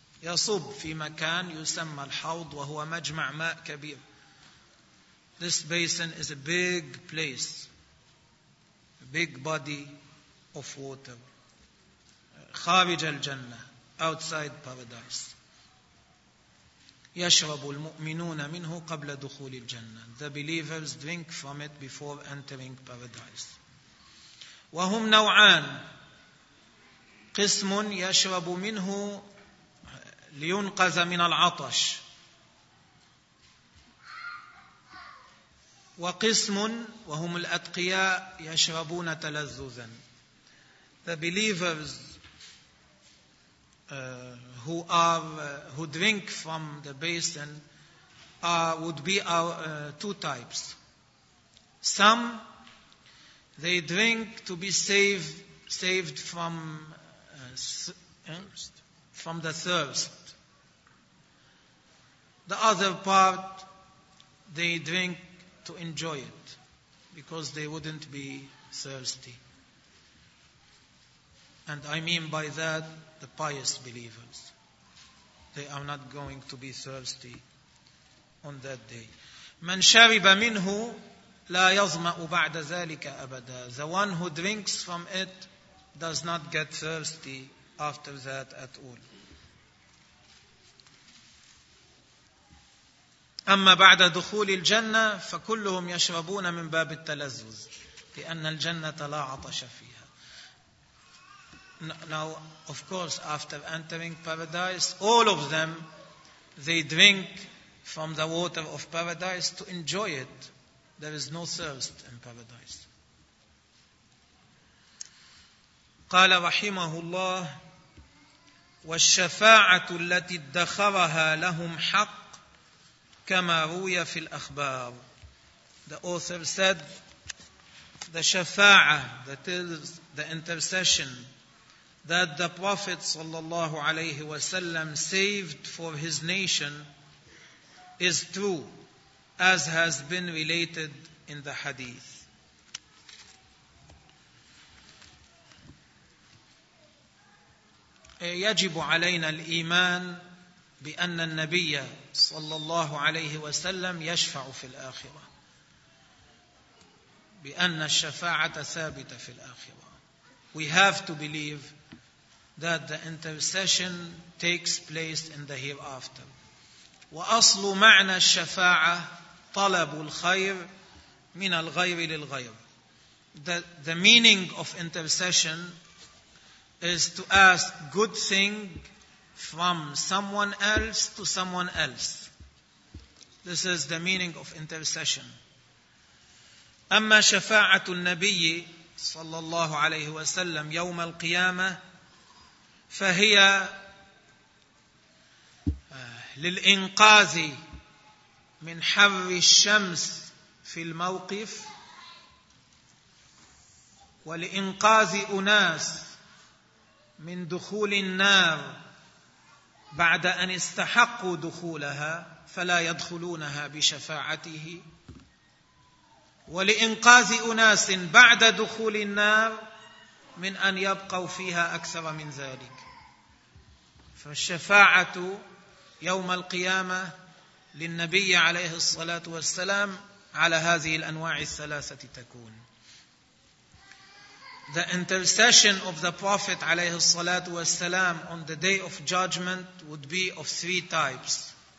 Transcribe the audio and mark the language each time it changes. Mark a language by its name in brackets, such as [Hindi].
[Arabic] يصب في مكان يسمى الحوض وهو مجمع ماء كبير. [English] This basin is a big place, a big body of water. [Arabic] خارج الجنة, [English] outside paradise. [Arabic] يشرب المؤمنون منه قبل دخول الجنة. [English] The believers drink from it before entering paradise. [Arabic] وهم نوعان, قسم يشرب منه لينقذ من العطش, وقسم وهم الأتقياء يشربون تلذذا. [English] The believers who drink from the basin would be two types. Some they drink to be saved from thirst. From the thirst. The other part they drink to enjoy it because they wouldn't be thirsty. And I mean by that the pious believers. They are not going to be thirsty on that day. [Arabic] من شرب منه لا يظمأ بعد ذلك أبدا. [English] The one who drinks from it does not get thirsty after that at all. [Arabic] أما بعد دخول الجنة فكلهم يشربون من باب التلذذ لأن الجنة لا عطش فيها. [English] Now, of course, after entering paradise, all of them, they drink from the water of paradise to enjoy it. There is no thirst in paradise. [Arabic] قال رحمه الله والشفاعة التي ادخرها لهم حق كما روي في الأخبار. [English] The author said, the shafa'ah, that is the intercession that the Prophet [Arabic] صلى الله عليه وسلم [English] saved for his nation is true, as has been related in the hadith. [Arabic] يجب علينا الإيمان بأن النبي صلى الله عليه وسلم يشفع في الآخرة, بأن الشفاعة ثابتة في الآخرة. [English] We have to believe that the intercession takes place in the hereafter. [Arabic] وأصل معنى الشفاعة طلب الخير من الغير للغير. [English] The meaning of intercession is to ask good thing from someone else to someone else. This is the meaning of intercession. [Arabic] أما شفاعة النبي صلى الله عليه وسلم يوم القيامة فهي للإنقاذ من حر الشمس في الموقف ولإنقاذ أناس من دخول النار بعد أن استحقوا دخولها فلا يدخلونها بشفاعته ولإنقاذ أناس بعد دخول النار من أن يبقوا فيها أكثر من ذلك. فالشفاعة يوم القيامة للنبي عليه الصلاة والسلام على هذه الأنواع الثلاثة تكون. [English] The intercession of the Prophet [Arabic] عليه الصلاة والسلام [English] on the day of judgment would be of three types.